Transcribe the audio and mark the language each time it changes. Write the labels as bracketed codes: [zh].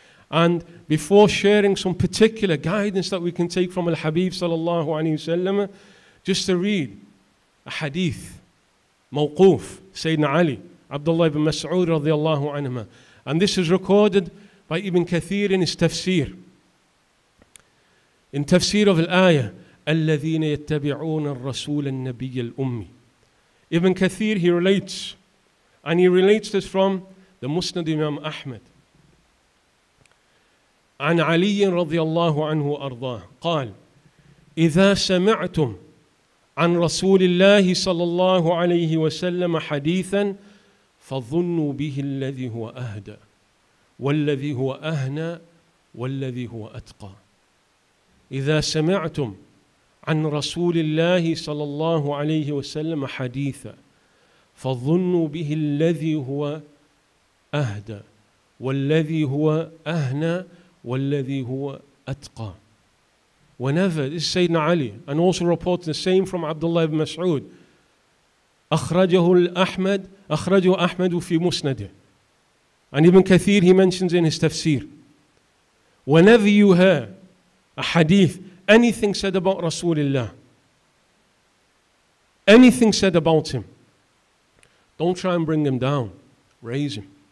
[en] And before sharing some particular guidance that we can take from Al-Habib sallallahu alayhi wa sallam, just to read a hadith, mawquf, Sayyidina Ali, Abdullah ibn Mas'ud radiallahu anhu. And this is recorded by Ibn Kathir in his tafsir. In tafsir of al-ayah, [ar] الَّذِينَ يَتَّبِعُونَ الرَّسُولَ النَّبِيَّ الْأُمِّ. [en] Ibn Kathir, he relates, and he relates this from the Musnad Imam Ahmed. [ar] عن علي رضي الله عنه أرضاه قال إذا سمعتم عن رسول الله صلى الله عليه وسلم حديثا فظنوا به الذي هو أهدى والذي هو أهنى والذي هو أتقى. إذا سمعتم عن رسول الله صلى الله عليه وسلم حديثا فظنوا به الذي هو أهدى والذي هو أهنى والذي هو أتقى. [en] Whenever, this is Sayyidina Ali, and also reports the same from Abdullah ibn Mas'ud. [ar] أخرجه الأحمد, أخرجه أحمد في مسنده. [en] And Ibn Kathir, he mentions in his tafsir. Whenever you hear a hadith, anything said about Rasulullah, anything said about him, don't try and bring him down. Raise him.